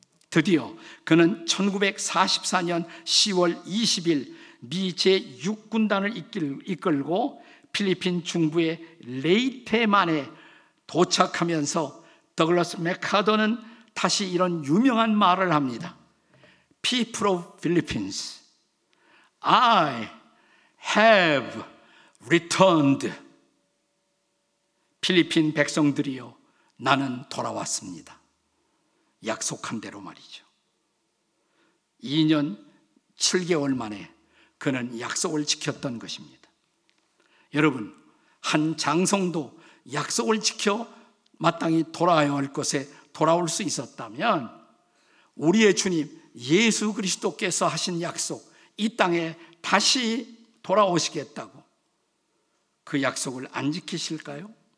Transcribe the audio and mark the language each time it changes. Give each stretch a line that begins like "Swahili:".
Korean: 드디어 그는 1944년 10월 20일 미 제6군단을 이끌고 필리핀 중부의 레이테만에 도착하면서 더글러스 맥카더는 다시 이런 유명한 말을 합니다.
English: People of Philippines, I have returned.
Korean: 필리핀 백성들이여, 나는 돌아왔습니다. 약속한 대로 말이죠. 2년 7개월 만에 그는 약속을 지켰던 것입니다. 여러분, 한 장성도 약속을 지켜 마땅히 돌아와야 할 곳에 돌아올 수 있었다면 우리의 주님 예수 그리스도께서 하신 약속, 이 땅에 다시 돌아오시겠다고 그 약속을 안 지키실까요?